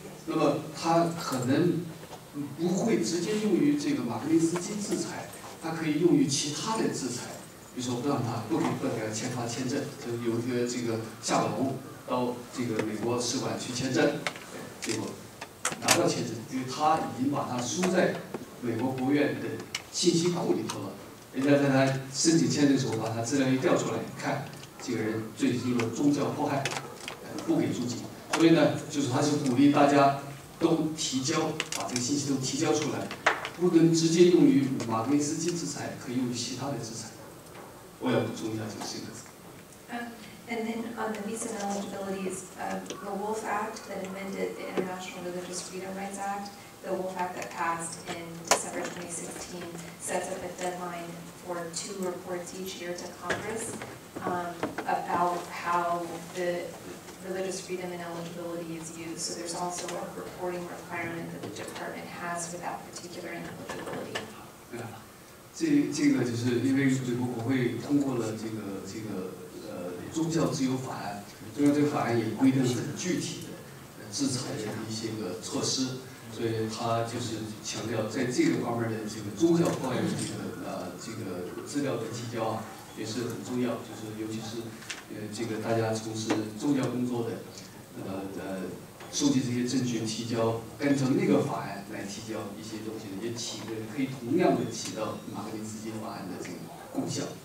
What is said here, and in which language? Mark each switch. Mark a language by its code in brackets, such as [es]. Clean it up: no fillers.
[zh] 那么它可能不会直接用于这个马格林斯基制裁，它可以用于其他的制裁，比如说不让他签发签证，就有一个这个夏宝龙到这个美国使馆去签证，结果拿到签证，因为他已经把他输在美国国务院的信息库里头了，人家在他申请签证的时候把他资料一调出来看，这个人最近有宗教迫害，不给入境。所以呢，就是他是鼓励大家都提交，把这个信息都提交出来，不能直接用于马格林斯基制裁，可以用于其他的制裁。我要补充一下就是这个。 [en] And then on the visa eligibilities, the Wolf Act that amended the International Religious Freedom Rights Act, the Wolf Act that passed in December 2016, sets up a deadline for 2 reports each year to Congress about how the religious freedom and eligibility is used. So there's also a reporting requirement that the department has for that particular ineligibility. Yeah, this is because the Congress passed this. [zh] 宗教自由法案，宗教自由法案也规定很具体的制裁的一些个措施，所以他就是强调在这个方面的这个宗教方面的这个资料的提交啊也是很重要，就是尤其是这个大家从事宗教工作的收集这些证据提交，按照那个法案来提交一些东西，也起个可以同样的起到马格林斯基法案的这个功效。